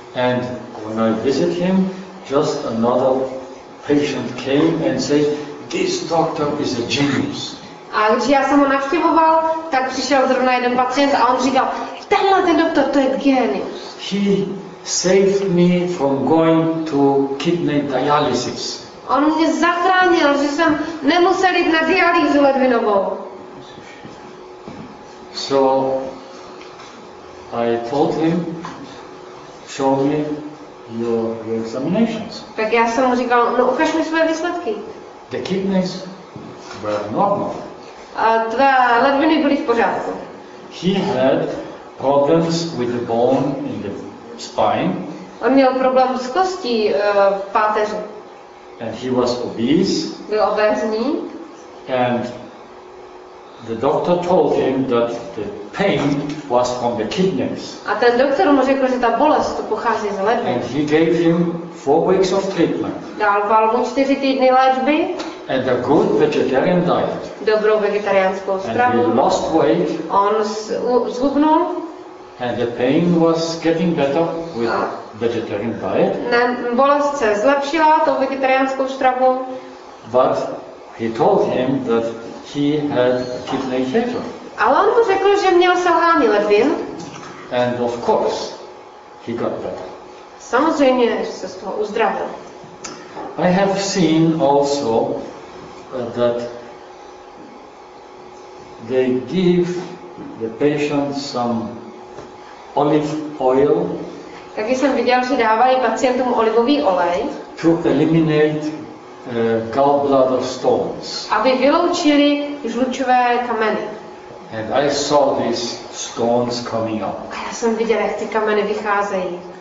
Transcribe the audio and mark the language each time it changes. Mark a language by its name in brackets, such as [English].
[English] And when I visit him, just another patient came and said, this doctor is a genius. [Czech] A když já jsem ho navštěvoval, tak přišel zrovna jeden pacient a on říkal, tenhle ten doktor, to je genius. [English] He saved me from going to kidney dialysis. [Czech] On mě zachránil, že jsem nemusel jít na dialýzu ledvinovou. [English] So I told him, show me your examinations. [Czech] Tak já jsem mu říkal, no ukaž mi své výsledky. [English] The kidneys were normal. [Czech] A tvé ledviny byly v pořádku. [English] He had problems with the bone in the spine. [Czech] On měl problém s kostí v páteři. [English] And he was obese. [Czech] Byl obézní. [English] And the doctor told him that the pain was from the kidneys. [Czech] A ten doktor mu řekl, že ta bolest to pochází z ledvin. [English] And he gave him 4 weeks of treatment. [Czech] Dával mu 4 týdny léčby. [English] And a good vegetarian diet. [Czech] Dobrou vegetariánskou stravu. [English] And he lost weight. [Czech] On zhubnul. [English] And the pain was getting better with vegetarian diet. [Czech] Ne, bolest se zlepšila tou vegetariánskou stravou. [English] But he told him that he had kidney failure. [Czech] Ale on mu řekl, že měl selhání ledvin. [English] And of course he got better. [Czech] Samozřejmě se z toho uzdravil. [English] I have seen also that they give the patient some olive oil. [Czech] Taky jsem viděl, že dávají pacientům olivový olej. [English] To eliminate gallbladder stones. [Czech] Aby vyloučili žlučové kameny. [English] And I saw these stones coming up. [Czech] A já jsem viděl, jak ty kameny vycházejí.